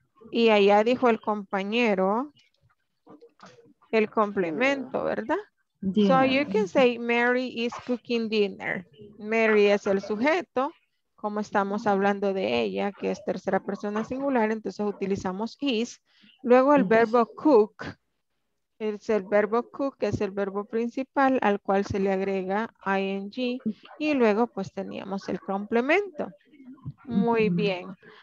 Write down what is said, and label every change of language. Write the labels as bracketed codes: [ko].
[es] Y allá dijo el compañero el complemento, ¿verdad? [en] Dinner. So you can say Mary is cooking dinner. [es] Mary es el sujeto. Como estamos hablando de ella, que es tercera persona singular, entonces utilizamos is. Luego el verbo cook. Es el verbo cook, que es el verbo principal al cual se le agrega ing y luego pues teníamos el complemento. Muy bien.